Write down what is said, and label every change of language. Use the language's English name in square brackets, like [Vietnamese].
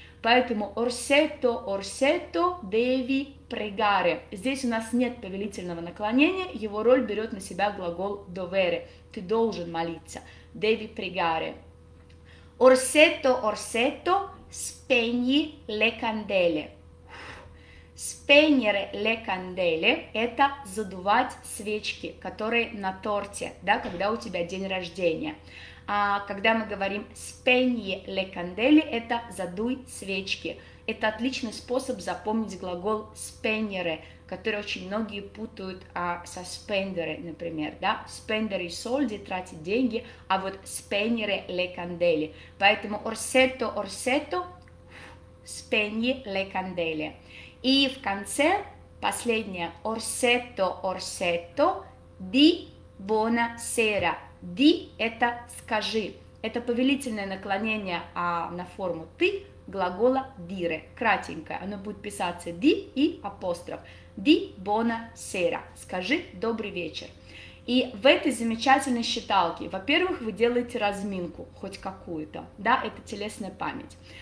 [Italian] Поэтому orsetto, orsetto, devi pregare. [Russian] Здесь у нас нет повелительного наклонения, его роль берет на себя глагол dovere. Ты должен молиться. [Italian] Devi pregare. Orsetto, orsetto, spegni le candele. Spegnere le candele [Russian] – это задувать свечки, которые на торте, да, когда у тебя день рождения. А когда мы говорим [Italian] spegni le candele [Russian] – это задуй свечки. Это отличный способ запомнить глагол [Italian] spegnere, [Russian] который очень многие путают со spendere, например, да? [Italian] Spendere i soldi – [Russian] тратить деньги, а вот [Italian] spegnere le candele. Поэтому orsetto, orsetto, spegni le candele. [Russian] И в конце последнее. [Italian] Orsetto, orsetto, di buona sera. [Russian] Di – это скажи. Это повелительное наклонение на форму ты глагола dire. Кратенькое. Оно будет писаться di и апостроф. [Italian] Di buona sera. [Russian] Скажи добрый вечер. И в этой замечательной считалке, во-первых, вы делаете разминку хоть какую-то, да, это телесная память.